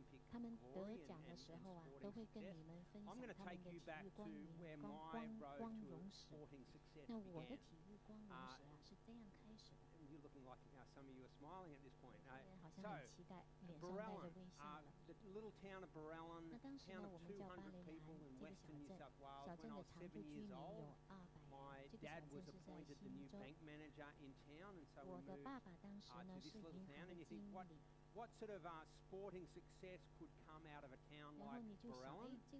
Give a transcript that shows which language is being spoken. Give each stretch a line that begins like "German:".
Chinese: 他们得奖的时候啊，都会跟你们分享他们的体育光荣 光荣史。那我的体育光荣史啊，是这样开始的。
English: You're looking like now some of you are smiling at this point.
Chinese: 好像很期待，脸上带着微笑了。
English: The little town of Burrellon, town of 200 people in western New South Wales. When I was 7 years old, my dad was appointed the new bank manager in town, and so we moved to this little town. And you think what sort of sporting success could come out of a town like Burrellon?